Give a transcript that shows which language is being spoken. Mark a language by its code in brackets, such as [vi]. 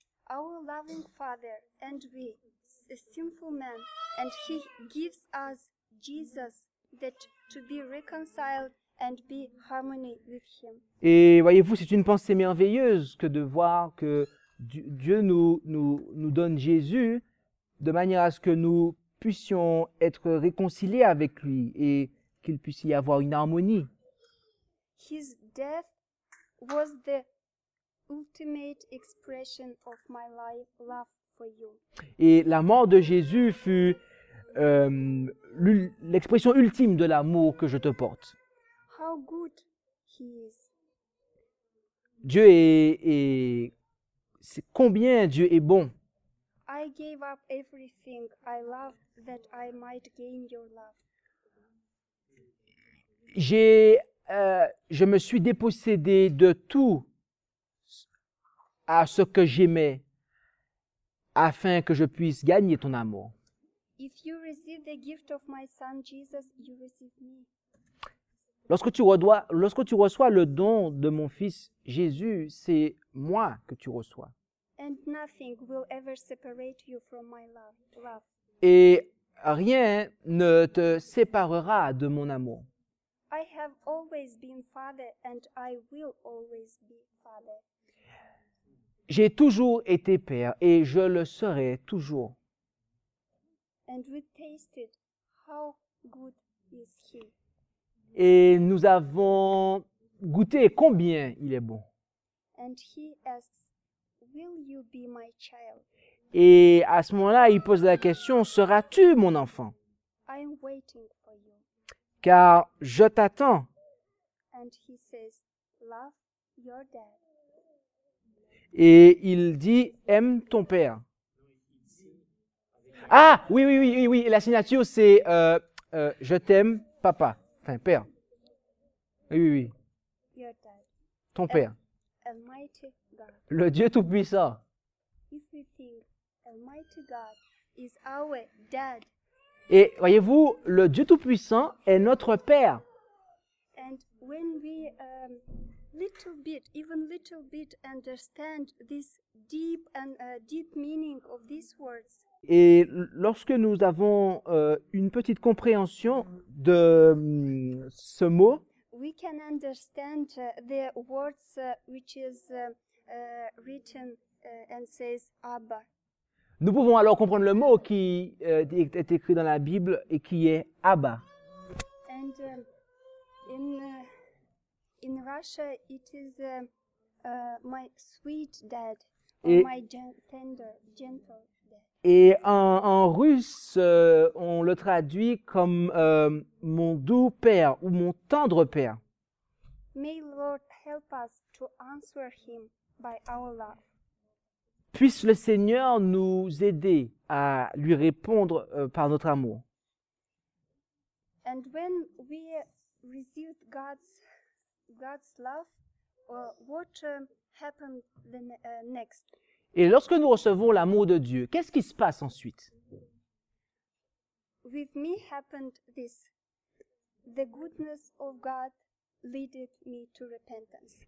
[en] Our loving Father and we, a sinful man, and He gives us Jesus. That to be reconciled and be harmony with him. [fr] Et voyez-vous, c'est une pensée merveilleuse que de voir que Dieu nous donne Jésus de manière à ce que nous puissions être réconciliés avec lui et qu'il puisse y avoir une harmonie. [en] His death was the ultimate expression of my love for you. [fr] Et la mort de Jésus fut l'expression ultime de l'amour que je te porte. [en] How good he is. [fr] Dieu est combien Dieu est bon. [en] I gave up everything I love that I might gain your love. [fr] Je me suis dépossédé de tout à ce que j'aimais afin que je puisse gagner ton amour. [en] If you receive the gift of my son Jesus, you receive me. [fr] Lorsque tu reçois le don de mon fils Jésus, c'est moi que tu reçois. [en] And nothing will ever separate you from my love. [fr] Et rien ne te séparera de mon amour. [en] I have always been father and I will always be father. [fr] J'ai toujours été père et je le serai toujours. [en] And we tasted how good is he. [fr] Et nous avons goûté combien il est bon. [en] And he asks, will you be my child? [fr] Et à ce moment-là, il pose la question, seras-tu mon enfant? [en] I'm waiting for you. [fr] Car je t'attends. [en] And he says, love your dad. [fr] Et il dit, aime ton père. Ah, oui, la signature, c'est « Je t'aime, papa », enfin, père. Oui. [en] Your dad. [fr] Ton père. [en] Almighty God. [fr] Le Dieu Tout-Puissant. [en] If we think Almighty God is our dad. [fr] Et voyez-vous, le Dieu Tout-Puissant est notre père. [en] And when we little bit understand this deep and deep meaning of these words. [fr] Et lorsque nous avons une petite compréhension de ce mot, [en] we can understand the words which is written and says Abba. [fr] Nous pouvons alors comprendre le mot qui est écrit dans la Bible et qui est Abba. [en] And in Russia it is my sweet dad, or my gentle dad. [fr] Et en russe on le traduit comme mon doux père ou mon tendre père. [en] May Lord help us to answer him by our love. [fr] Puisse le Seigneur nous aider à lui répondre par notre amour. [en] And when we received God's love, what happened next? [fr] Et lorsque nous recevons l'amour de Dieu, qu'est-ce qui se passe ensuite? [en] With me happened this. The goodness of God led me to repentance.